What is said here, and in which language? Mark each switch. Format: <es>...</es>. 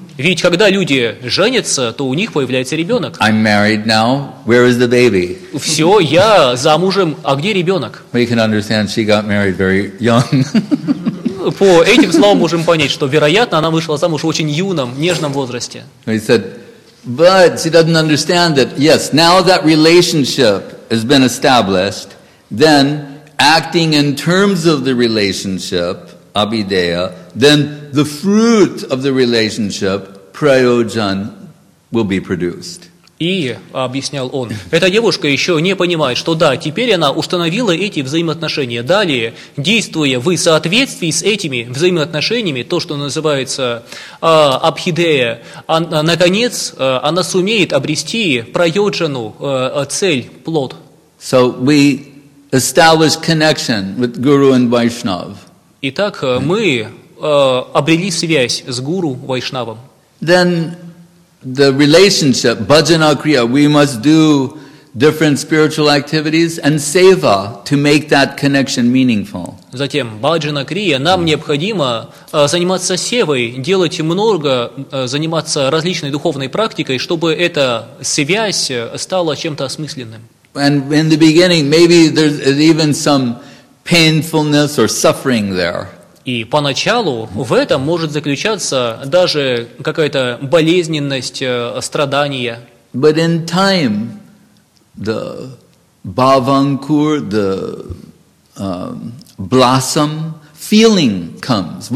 <ru>Ведь когда люди женятся, то у них появляется ребенок.</ru> <en>I'm married now. Where is the baby?</en> <ru>Все, я замужем, а где ребенок?</ru> <en>We can understand she got married very young.</en> <ru>По этим словам можем понять, что, вероятно, она вышла замуж в очень юном, нежном возрасте.</ru> <en>He said, but she doesn't understand that, yes, now that relationship has been established, then acting in terms of the relationship, abideya, then the fruit of the relationship, prayojan, will be produced.</en> <ru>И, объяснял он, эта девушка еще не понимает, что да, теперь она установила эти взаимоотношения. Далее, действуя в соответствии с этими взаимоотношениями, то, что называется абхидея, наконец, она сумеет обрести прайоджану, цель, плод.</ru> <en>So we establish connection with Guru and Vaishnav.</en> <ru>Итак, мы обрели связь с Гуру Вайшнавом.</ru> <en>Then the relationship, bhajana kriya, we must do different spiritual activities and seva to make that connection meaningful.</en> <ru>Затем, bhajana kriya, нам необходимо заниматься севой, делать много, заниматься различной духовной практикой, чтобы эта связь стала чем-то осмысленным.</ru> <en>And in the beginning, maybe there's even some painfulness or suffering there.</en> <ru>И поначалу в этом может заключаться даже какая-то болезненность, страдания.</ru> <en>But in time, the bhavankur, the blossom, feeling comes.</en>